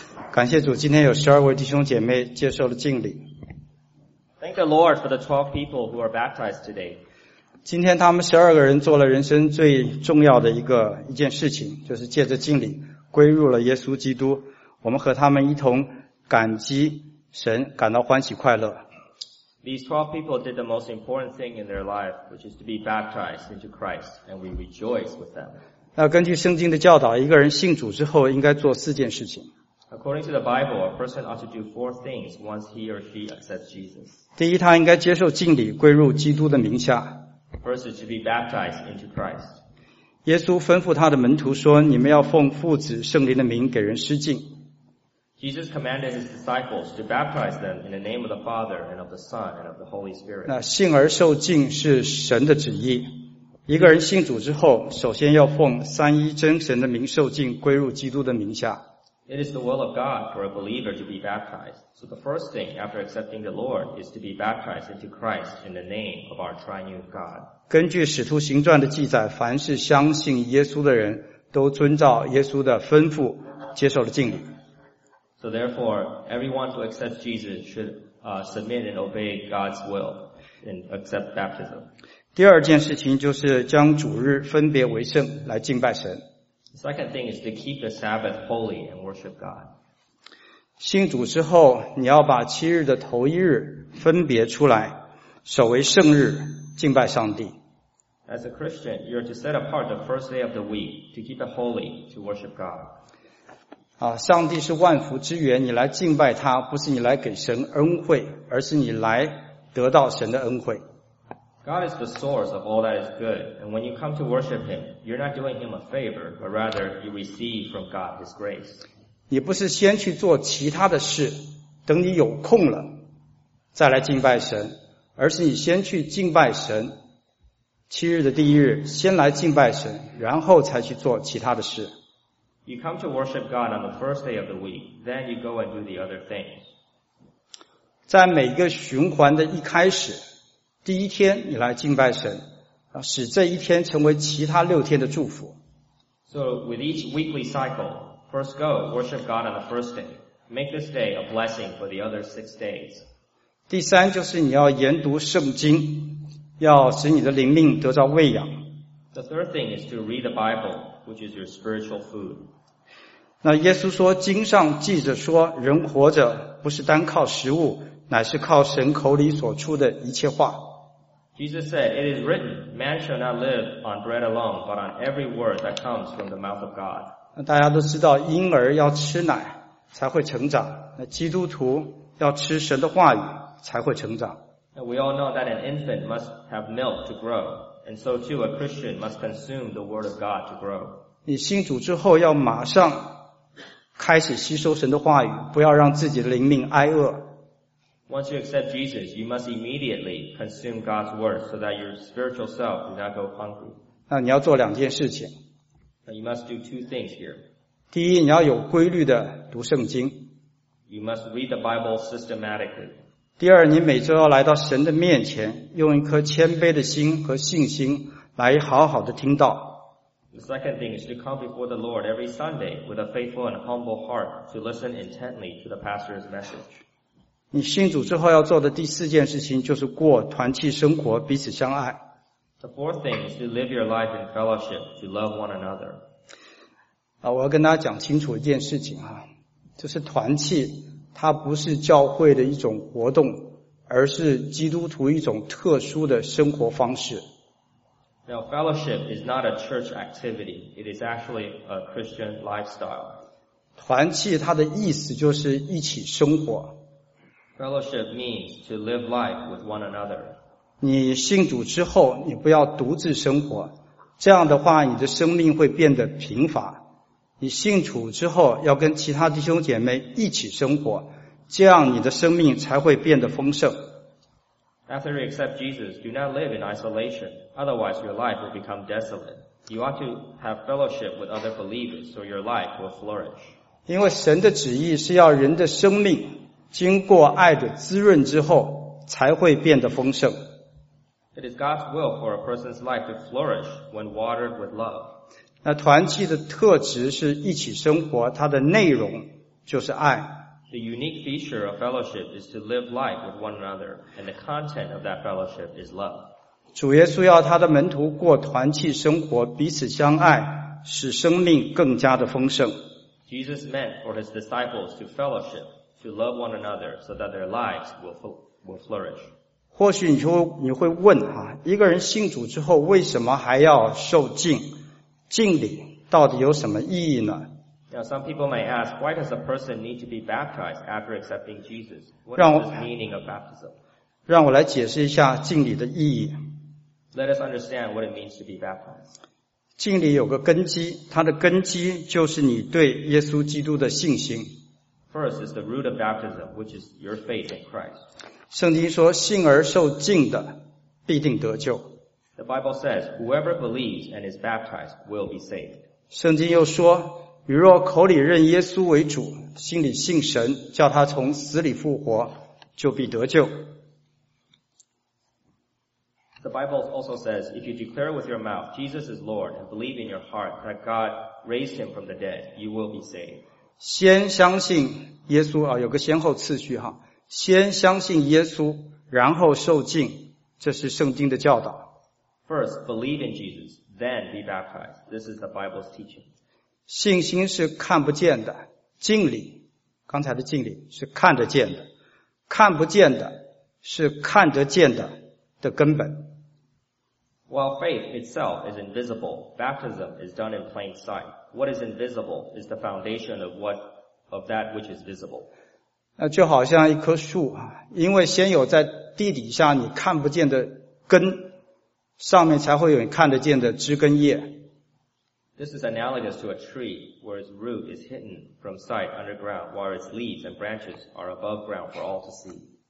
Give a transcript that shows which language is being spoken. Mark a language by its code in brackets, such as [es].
[zh] 感谢主，今天有十二位弟兄姐妹接受了敬礼。 [en] Thank the Lord for the 12 people who are baptized today. [zh] 今天他们十二个人做了人生最重要的一件事情，就是借着敬礼归入了耶稣基督。我们和他们一同感激神，感到欢喜快乐。 [en] These 12 people did the most important thing in their life, which is to be baptized into Christ, and we rejoice with them. [zh] 那根据圣经的教导，一个人信主之后应该做四件事情。 [en] According to the Bible, a person ought to do four things once he or she accepts Jesus. [zh] 第一，他应该接受敬礼，归入基督的名下。 [en] First is to be baptized into Christ. [zh] 耶稣吩咐他的门徒说，你们要奉父子圣灵的名给人施敬。 [en] Jesus commanded his disciples to baptize them in the name of the Father and of the Son and of the Holy Spirit. [zh] 那信而受敬是神的旨意。一个人信主之后，首先要奉三一真神的名受敬，归入基督的名下。 [en] It is the will of God for a believer to be baptized. So the first thing after accepting the Lord is to be baptized into Christ in the name of our triune God. [zh] 根据使徒行传的记载，凡是相信耶稣的人都遵照耶稣的吩咐接受了敬礼。 [en] So therefore, everyone who accepts Jesus should submit and obey God's will and accept baptism. [zh] 第二件事情就是将主日分别为圣来敬拜神。 [en] The second thing is to keep the Sabbath holy and worship God. [zh] 信主之后，你要把七日的头一日分别出来，守为圣日，敬拜上帝。 [en] As a Christian, you are to set apart the first day of the week to keep it holy to worship God. [zh] 啊，上帝是万福之源，你来敬拜他，不是你来给神恩惠，而是你来得到神的恩惠。 [en] God is the source of all that is good, and when you come to worship Him, you're not doing Him a favor, but rather you receive from God His grace. [zh] 你不是先去做其他的事，等你有空了再来敬拜神，而是你先去敬拜神，七日的第一日先来敬拜神，然后才去做其他的事。 [en] You come to worship God on the first day of the week, then you go and do the other things. [zh] 在每个循环的一开始，第一天你来敬拜神，使这一天成为其他六天的祝福。 [en] So with each weekly cycle, first go worship God on the first day. Make this day a blessing for the other six days. [zh] 第三就是你要研读圣经，要使你的灵命得到喂养。 [en] The third thing is to read the Bible, which is your spiritual food. [zh] 那耶稣说，经上记着说，人活着不是单靠食物，乃是靠神口里所出的一切话。 [en] Jesus said, it is written, man shall not live on bread alone, but on every word that comes from the mouth of God. [zh] 那大家都知道，婴儿要吃奶才会成长，那基督徒要吃神的话语才会成长。 [en] And we all know that an infant must have milk to grow, and so too a Christian must consume the word of God to grow. [zh] 你信主之后要马上开始吸收神的话语，不要让自己的灵命挨饿。 [en] Once you accept Jesus, you must immediately consume God's word so that your spiritual self does not go hungry. [zh] 那你要做两件事情。 [en] You must do two things here. [zh] 第一，你要有规律的读圣经。 [en] You must read the Bible systematically. [zh] 第二，你每周要来到神的面前，用一颗谦卑的心和信心来好好的听道。 [en] The second thing is to come before the Lord every Sunday with a faithful and humble heart to listen intently to the pastor's message. [zh] 你信主之后要做的第四件事情就是过团契生活，彼此相爱。 [en] The fourth thing is to live your life in fellowship, to love one another. [zh] 我要跟大家讲清楚一件事情啊，就是团契它不是教会的一种活动，而是基督徒一种特殊的生活方式。 [en] Now fellowship is not a church activity, it is actually a Christian lifestyle. [zh] 团契它的意思就是一起生活。 [en] Fellowship means to live life with one another. [zh] 你信主之后，你不要独自生活，这样的话，你的生命会变得贫乏。你信主之后，要跟其他弟兄姐妹一起生活，这样你的生命才会变得丰盛。 [en] After you accept Jesus, do not live in isolation. Otherwise, your life will become desolate. You ought to have fellowship with other believers, so your life will flourish. [zh] 因为神的旨意是要人的生命经过爱的滋润之后才会变得丰盛。 [en] It is God's will for a person's life to flourish when watered with love. [zh] 那团契的特质是一起生活，它的内容就是爱。 [en] The unique feature of fellowship is to live life with one another, and the content of that fellowship is love. [zh] 主耶稣要他的门徒过团契生活，彼此相爱，使生命更加的丰盛。 [en] Jesus meant for his disciples to fellowship, to love one another, so that their lives will flourish. [zh] 或许你会问啊，一个人信主之后为什么还要受浸？浸礼到底有什么意义呢？ [en] Now, some people may ask, why does a person need to be baptized after accepting Jesus? What is the meaning of baptism? [zh] 让我来解释一下浸礼的意义。 [en] Let us understand what it means to be baptized. [zh] 浸礼有个根基，它的根基就是你对耶稣基督的信心。 [en] First is the root of baptism, which is your faith in Christ. [zh] 圣经说，信而受浸的必定得救。 [en] The Bible says, whoever believes and is baptized will be saved. [zh] 圣经又说，你若口里认耶稣为主，心里信神，叫他从死里复活，就必得救。 [en] The Bible also says, if you declare with your mouth Jesus is Lord and believe in your heart that God raised him from the dead, you will be saved. [zh] 先相信耶稣啊，有个先后次序哈，先相信耶稣，然后受浸，这是圣经的教导。 [en] First, believe in Jesus, then be baptized. This is the Bible's teaching. [zh] 信心是看不见的，浸礼，刚才的浸礼是看得见的，看不见的是看得见的根本。 [en] While faith itself is invisible, baptism is done in plain sight. What is invisible is the foundation of that which is visible. [zh] 那就好像一棵树啊，因为先有在地底下你看不见的根，上面才会有你看得见的枝根叶。 [en] This is analogous to a tree where its root is hidden from sight underground, while its leaves and branches are above ground for all to see.